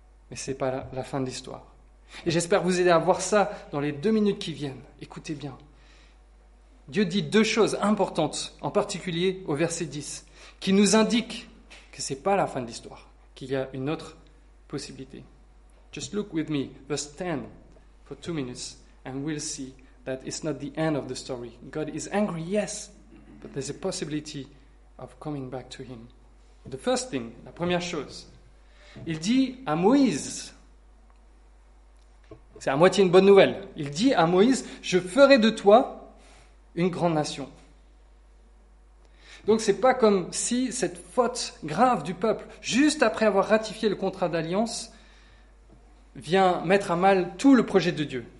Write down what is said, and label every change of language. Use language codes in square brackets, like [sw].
[fr] Mais ce n'est pas la fin de l'histoire. Et j'espère vous aider à voir ça dans les 2 minutes qui viennent. Écoutez bien. Dieu dit 2 choses importantes, en particulier au verset 10, qui nous indiquent que ce n'est pas la fin de l'histoire, qu'il y a une autre possibilité. [en] Just look with me, verse 10, for 2 minutes, and we'll see that it's not the end of the story. God is angry, yes, but there's a possibility of coming back to him. The first thing, [fr] la première chose, il dit à Moïse... C'est à moitié une bonne nouvelle. Il dit à Moïse, je ferai de toi une grande nation. Donc, ce n'est pas comme si cette faute grave du peuple, juste après avoir ratifié le contrat d'alliance, vient mettre à mal tout le projet de Dieu.